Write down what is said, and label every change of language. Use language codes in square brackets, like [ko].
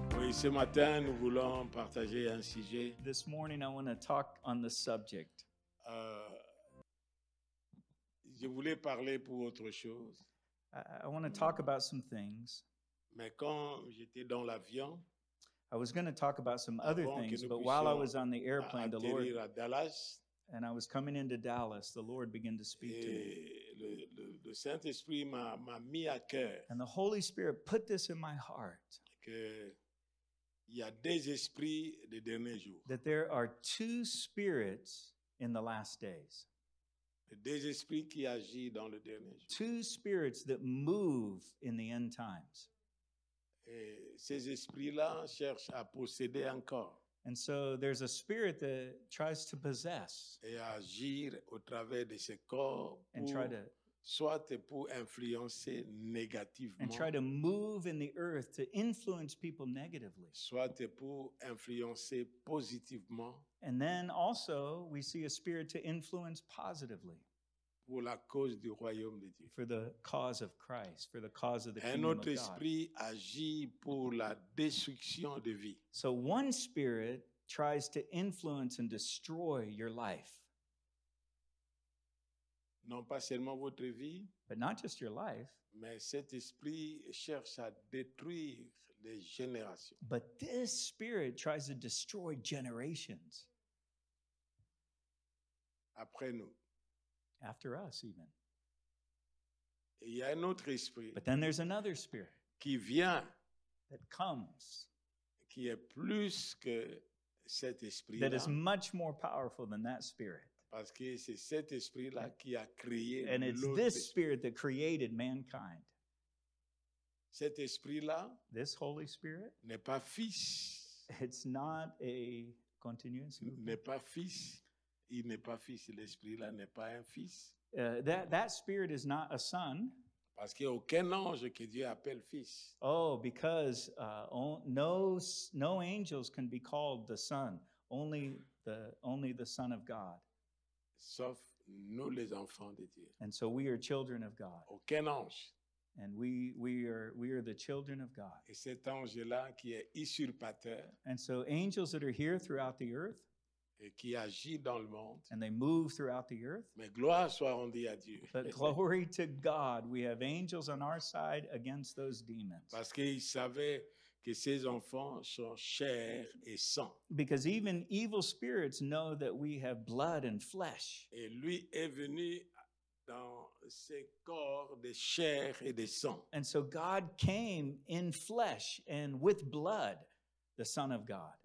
[fr] Ce matin, nous voulons partager un sujet. [en] This morning, I want to talk on the subject. [fr] Je voulais parler pour autre chose. [en] I want to talk about some things. [fr] Mais quand j'étais dans l'avion, [en] I was going to talk about some other things, but while I was on the airplane, the Lord, [fr] à Dallas, [en] and I was coming into Dallas, the Lord began to speak to me. [fr] Le Saint-Esprit m'a mis à cœur. [en] And the Holy Spirit put this in my heart. [fr] Que il y a des esprits des derniers jours. [en] That there are two spirits in the last days. [fr] Des esprits qui agissent dans le dernier jour. [en] Two spirits that move in the end times. [fr] Et ces esprits-là cherchent à posséder encore. [en] And so there's a spirit that tries to possess. [fr] Et agir au travers de ce corps. [en] And try to. [fr] Soit pour influencer négativement. [en] And try to move in the earth to influence people negatively. [fr] Soit pour influencer positivement. [en] And then also we see a spirit to influence positively. [fr] Pour la cause du royaume de Dieu. [en] For the cause of Christ, for the cause of the kingdom of God. [fr] Un autre esprit agit pour la destruction de vie. [en] So one spirit tries to influence and destroy your life. [fr] Non pas seulement votre vie, [en] but not just your life, [fr] mais cet esprit cherche à détruire les générations. [en] But this spirit tries to destroy generations. [fr] Après nous. [en] After us, even. [fr] Il y a un autre esprit. [en] But then there's another spirit. [fr] Qui vient. [en] That comes. [fr] Qui est plus que cet esprit-là. [en] That is much more powerful than that spirit. [fr] Parce que c'est cet esprit-là qui a créé l'autre. [en] And it's this spirit that created mankind. [fr] Cet esprit-là. [en] This Holy Spirit. [fr] N'est pas fils. [en] It's not a continuous. [fr] N'est pas fils. Il n'est pas fils. L'esprit-là n'est pas un fils. [en] That spirit is not a son. [fr] Parce qu'il n'y a aucun ange que Dieu appelle fils. [en] Oh, because no angels can be called the son. Only the son of God. [fr] Sauf nous les enfants de Dieu. [en] And so we are children of God. [fr] Aucun ange. [en] And we are the children of God. [fr] Et cet ange-là qui est usurpateur. [en] And so angels that are here throughout the earth. [fr] Et qui agit dans le monde. [en] And they move throughout the earth. [fr] Mais gloire soit rendue à Dieu. [en] But glory to God. We have angels on our side against those demons. [fr] Parce qu'ils savaient que ces enfants sont chair et sang. [en] Because even evil spirits know that we have blood and flesh. [fr] Et lui est venu dans ces corps de chair et de sang. [en] And so God came in flesh and with blood, the Son of God.